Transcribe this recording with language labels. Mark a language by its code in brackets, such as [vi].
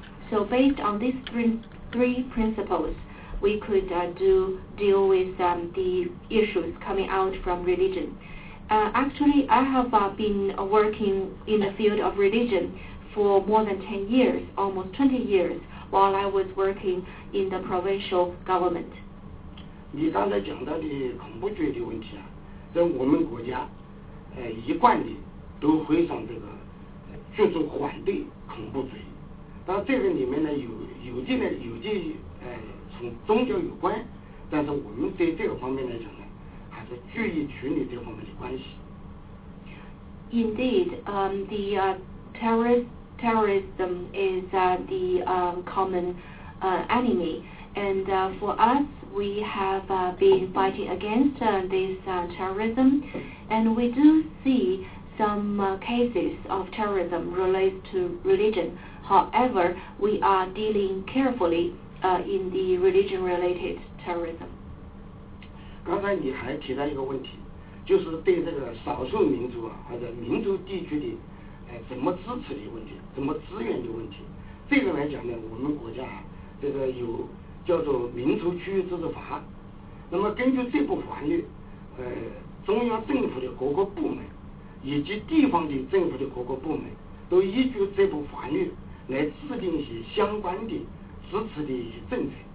[en] So based on these three principles, we could deal with the issues coming out from religion. Actually, I have been working in the field of religion for more than 10 years, almost 20 years, while I was working in the provincial government. [zh] 你刚才讲到的恐怖主义的问题啊，在我们国家，一贯的都非常这个，就是反对恐怖主义。但这个里面呢，有的从宗教有关，但是我们在这个方面来讲呢，还是注意处理这方面的关系。 [en] Indeed, the terrorism is the common enemy, and for us, we have been fighting against this terrorism, and we do see some cases of terrorism related to religion. However, we are dealing carefully in the religion-related terrorism. [zh] 刚才你还提到一个问题，就是对这个少数民族啊或者民族地区的怎么支持的问题，怎么支援的问题。这个来讲呢，我们国家啊这个有叫做民族区域自治法，那么根据这部法律，中央政府的各个部门以及地方的政府的各个部门都依据这部法律来制定一些相关的支持的一些政策。